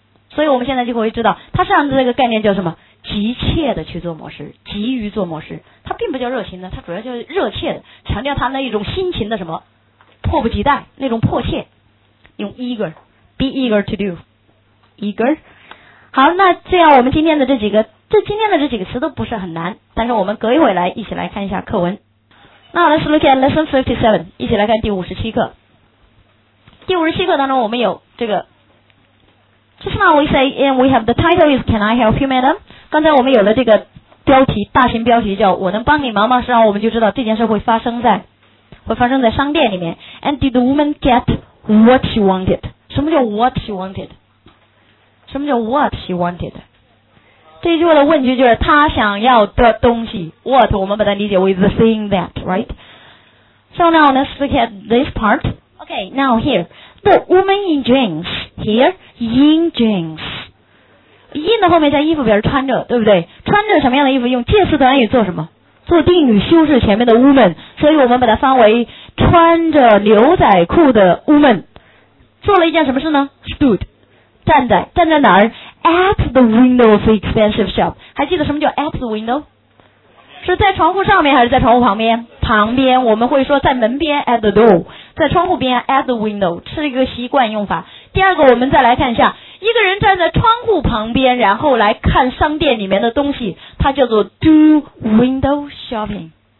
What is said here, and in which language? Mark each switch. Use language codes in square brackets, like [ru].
[zh] 所以我们现在就会知道，它实际上这个概念叫什么？急切的去做模式，急于做模式，它并不叫热情的，它主要就是热切的，强调它那一种心情的什么，迫不及待，那种迫切，用 eager， [en] be eager to do， [zh] eager。好，那这样我们今天的这几个词都不是很难，但是我们隔一会来一起来看一下课文。那 [en] let's look at lesson 57， [zh] 一起来看第57课。第57课当中我们有这个。 [en] Just now we say, and we have the title is, Can I help you, madam? [zh] 刚才我们有了这个标题，大型标题叫我能帮你忙吗？实际上我们就知道这件事会发生在商店里面。 [en] And did the woman get what she wanted? [zh] 什么叫 [en] what she wanted? [zh] 什么叫 [en] what she wanted? [zh] 这句话的问句就是她想要的东西。 [en] What, [zh] 我们把它理解为 [en] the thing that, right? So now let's look at this part. Okay, now here. The woman in jeans, here, in jeans. [zh] In 的后面加衣服表示穿着，对不对？穿着什么样的衣服？用介词短语做什么？做定语修饰前面的 woman， 所以我们把它翻为穿着牛仔裤的 woman， 做了一件什么事呢？ Stood， 站在哪儿？ [en] At the window of the expensive shop， [zh] 还记得什么叫 [en] at the window？ [zh] 是在窗户上面还是在窗户旁边？旁边，我们会说在门边 [en] at the door， [zh] 在窗户边 [en] at the window， [zh] 是一个习惯用法。第二个，我们再来看一下，一个人站在窗户旁边，然后来看商店里面的东西，它叫做 [en] do window shopping。